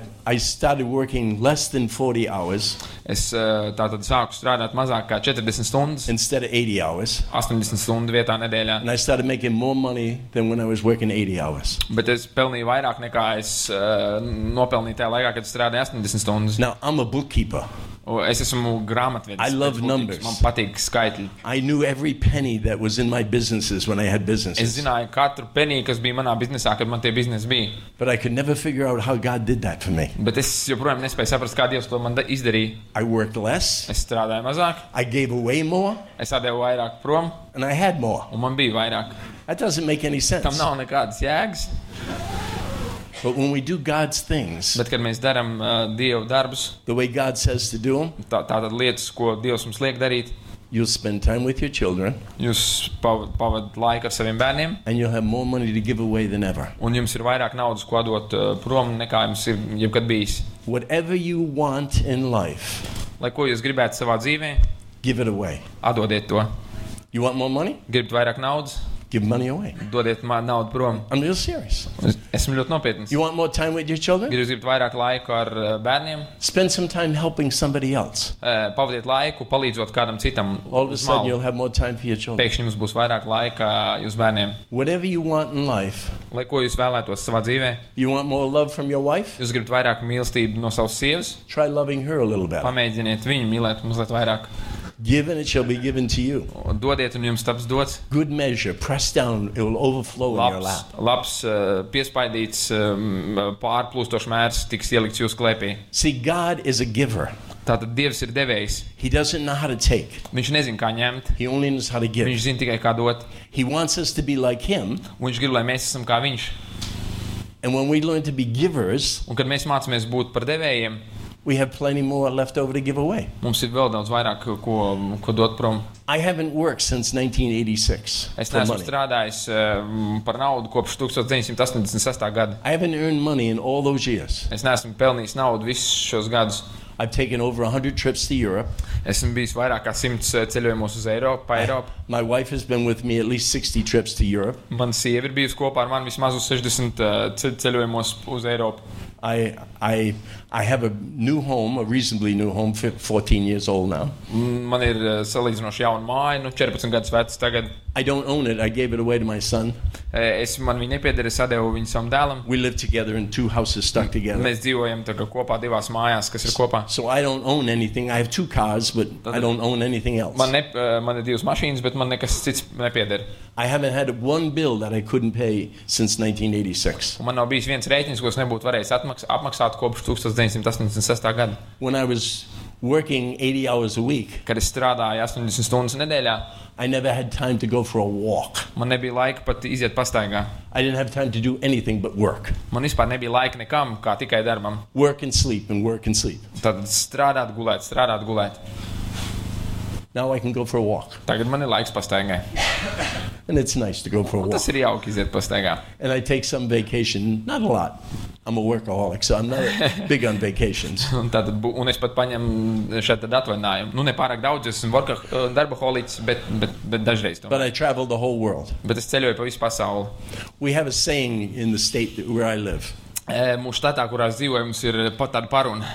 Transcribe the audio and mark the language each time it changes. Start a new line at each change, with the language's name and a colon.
English: I started working less than 40 hours.
Latvian: Es tātad sāku strādāt mazāk kā 40 stundas.
English: Instead of 80 hours.
Latvian: 80 stundu vietā nedēļā.
English: And I started making more money than when I was working 80 hours.
Latvian: Bet es pelnīju vairāk nekā es nopelnīju tajā laikā, kad strādāju 80 stundas.
English: Now I'm a bookkeeper.
Latvian: Es esmu grāmatvedis.
English: I love numbers.
Latvian: Man patīk skaitļi.
English: I knew every penny that was in my businesses when I had businesses.
Latvian: Es zināju katru penī, kas bija manā biznesā, kad man tie biznesi bija.
English: But I could never figure out how God did that for me.
Latvian: Bet es joprojām nespēju saprast, kā Dievs to man izdarīja.
English: I worked less.
Latvian: Es strādāju mazāk.
English: I gave away more.
Latvian: Es atdevu vairāk prom.
English: And I had more.
Latvian: Un man bija vairāk.
English: That doesn't make any sense.
Latvian: Tam nav nekādas jēgas.
English: But when we do God's things,
Latvian: bet kad mēs daram Dievu darbus,
English: the way God says to do them,
Latvian: tātad lietas, ko Dievs mums liek darīt,
English: you spend time with your children,
Latvian: jūs pavad laiku ar saviem bērniem,
English: and you have more money to give away than ever.
Latvian: Un jums ir vairāk naudas, ko dot prom, nekā jums ir jebkad bijis.
English: Whatever you want in life,
Latvian: lai ko jūs gribētu savā dzīvē,
English: give it away.
Latvian: Atdodiet to.
English: You want more money?
Latvian: Gribat vairāk naudas?
English: Give money away.
Latvian: Dodiet man naudu prom.
English: I'm real serious.
Latvian: Esmu ļoti nopietns.
English: You want more time with your children?
Latvian: Gribu zibt vairāk laiku ar bērniem.
English: Spend some time helping somebody else.
Latvian: Pavadiet laiku, palīdzot kādam citam.
English: All of a sudden you'll have more time for your children.
Latvian: Pēkšņi jums būs vairāk laika jūs bērniem.
English: Whatever you want in life.
Latvian: Lai ko jūs vēlētos savā dzīvē.
English: You want more love from your wife?
Latvian: Jūs gribat vairāk mīlestību no savas sievas.
English: Try loving her a little bit.
Latvian: Pamēģiniet viņu mīlēt mazliet vairāk.
English: Given it shall be given to you.
Latvian: Dodiet un jums taps dots.
English: Good measure, pressed down, it will overflow
Latvian: labs,
English: in your lap.
Latvian: Labs, piespaidīts, pārplūstošs mērs tiks ielikts jūsu klēpī.
English: See, God is a giver.
Latvian: Tātad Dievs ir devējs.
English: He doesn't know how to take.
Latvian: Viņš nezina, kā ņemt.
English: He only knows how to give.
Latvian: Viņš zina tikai, kā dot.
English: He wants us to be like him.
Latvian: Viņš grib, lai mēs esam kā viņš.
English: And when we learn to be givers,
Latvian: un kad mēs mācāmies būt par devējiem,
English: we have plenty more left over to give away.
Latvian: Mums ir vēl daudz vairāk, ko dot prom.
English: I haven't worked since 1986.
Latvian: Es neesmu strādājis par naudu kopš 1986. Gada.
English: I haven't earned money in all those years.
Latvian: Es neesmu pelnījis naudu visus šos gadus.
English: I've taken over 100 trips to Europe.
Latvian: esmu bijis vairāk kā 100 ceļojumos uz Eiropu, pa Eiropu.
English: My wife has been with me at least 60 trips to Europe.
Latvian: Man sieva ir bijusi kopā ar mani vismaz uz 60 ceļojumos uz Eiropu.
English: I have a new home, a reasonably new home, 14 years old now.
Latvian: Man ir salīdzinoši jauna māja, nu 14 gadus vecs tagad.
English: I don't own it, I gave it away to my son.
Latvian: Es man viņu nepiederu, es atdevu viņu savam dēlam.
English: We live together in two houses stuck together.
Latvian: Mēs dzīvojam tā kā kopā divās mājās, kas ir kopā.
English: So I don't own anything, I have two cars, but I don't own anything else.
Latvian: Man ir divas mašīnas, bet man nekas cits nepieder.
English: I haven't had one bill that I couldn't pay since 1986.
Latvian: Man nav bijis viens rēķins, ko es nebūtu varējis apmaksāt kopš 1986. Gada.
English: When I was working 80 hours a week.
Latvian: Kad es strādāju 80 stundas nedēļā.
English: I never had time to go for a walk.
Latvian: Man nebija laika pat iziet pastaigā.
English: I didn't have time to do anything but work.
Latvian: Man vispār nebija laika nekam, kā tikai darbam.
English: Work and sleep and work and sleep.
Latvian: Tad strādāt, gulēt, strādāt, gulēt.
English: Now I can go for a walk.
Latvian: Tagad man ir laiks pastaigai.
English: And it's nice to go for a walk.
Latvian: Tas ir jauki iziet pastaigā.
English: And I take some vacation, not a lot. I'm a workaholic, so I'm not big on vacations.
Latvian: un es pat paņemu šeit tad atvaļinājumu. Nu, nepārāk daudz, es esmu darboholics, bet dažreiz.
English: But I travel the whole world.
Latvian: Bet es ceļoju pa visu pasauli.
English: We have a saying in the state where I live.
Latvian: Mūsu štatā, kurā es dzīvoju, mums ir pat tāda paruna.